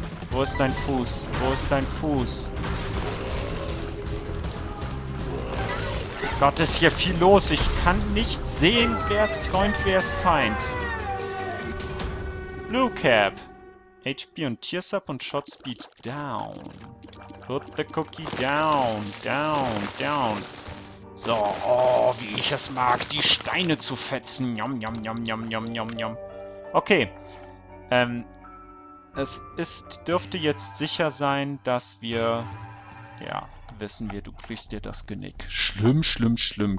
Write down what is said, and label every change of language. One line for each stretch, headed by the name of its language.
German: Wo ist dein Fuß? Wo ist dein Fuß? Gott, ist hier viel los. Ich kann nicht sehen, wer ist Freund, wer ist Feind. Blue Cap. HP und Tears Up und Shot Speed down.
English: Put the cookie down, down, down.
German: So, oh, wie ich es mag, die Steine zu fetzen. Yum, yum, yum, yum, yum, yum, yum. Okay. Es ist, dürfte jetzt sicher sein, dass wir... Ja, wissen wir, du kriegst dir das Genick. Schlimm, schlimm, schlimm.